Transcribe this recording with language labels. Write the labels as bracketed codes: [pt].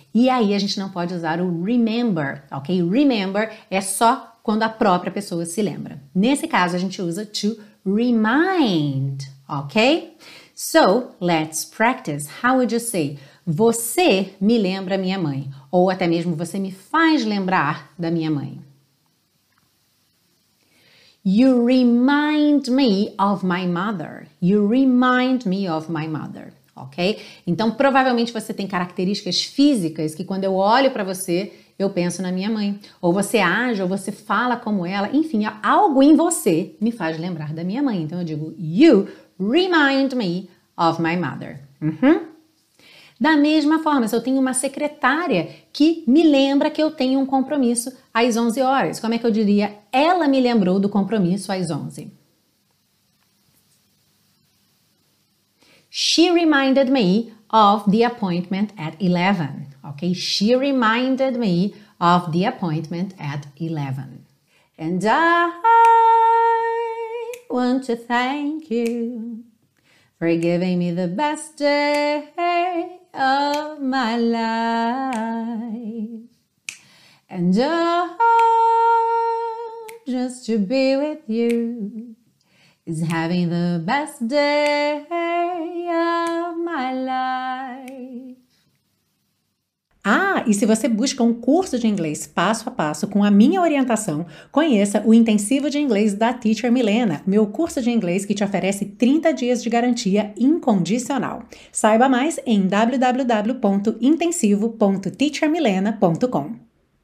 [pt] E aí a gente não pode usar o remember, ok? Remember é só quando a própria pessoa se lembra. Nesse caso, a gente usa to remind, ok? [en] So, let's practice. How would you say? [pt] Você me lembra minha mãe. Ou até mesmo, você me faz lembrar da minha mãe. [en] You remind me of my mother. You remind me of my mother. Ok? [pt] Então, provavelmente você tem características físicas que quando eu olho para você, eu penso na minha mãe. Ou você age, ou você fala como ela. Enfim, algo em você me faz lembrar da minha mãe. Então, eu digo, [en] you remind me of my mother. Uhum. [pt] Da mesma forma, se eu tenho uma secretária que me lembra que eu tenho um compromisso às 11 horas, como é que eu diria? Ela me lembrou do compromisso às 11. [en] She reminded me of the appointment at 11. Ok? She reminded me of the appointment at 11. And I want to thank you for giving me the best day of my life. And oh, just to be with you is having the best day of my life. [pt] Ah, e se você busca um curso de inglês passo a passo com a minha orientação, conheça o Intensivo de Inglês da Teacher Milena, meu curso de inglês que te oferece 30 dias de garantia incondicional. Saiba mais em www.intensivo.teachermilena.com.